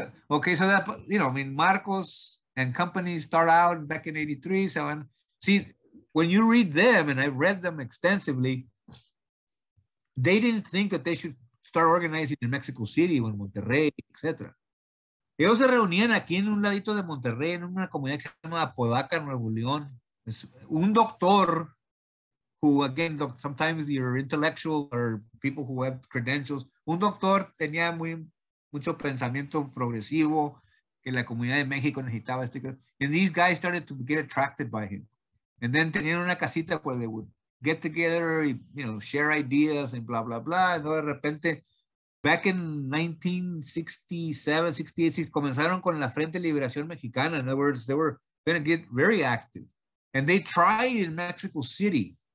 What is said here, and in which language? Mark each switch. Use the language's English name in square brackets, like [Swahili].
[English] Okay, so that, you know, I mean, Marcos and company start out back in 83. So, and see, when you read them, and I've read them extensively, they didn't think that they should start organizing in Mexico City, in Monterrey, etc. [Spanish] Ellos se reunían aquí en un ladito de Monterrey, en una comunidad que se llama Apodaca, Nuevo León. [English] It's [Spanish] un doctor [English] who, again, sometimes you're intellectual or people who have credentials. [Spanish] Un doctor tenía mucho pensamiento progresivo que la comunidad de México necesitaba. [English] And these guys started to get attracted by him. And then [Spanish] tenían una casita [English] where they would get together, you know, share ideas and blah, blah, blah. And [Spanish] de repente, [English] back in 1967, 68, [Spanish] comenzaron con la Frente de Liberación Mexicana. [English] In other words, they were going to get very active. And they tried in Mexico City.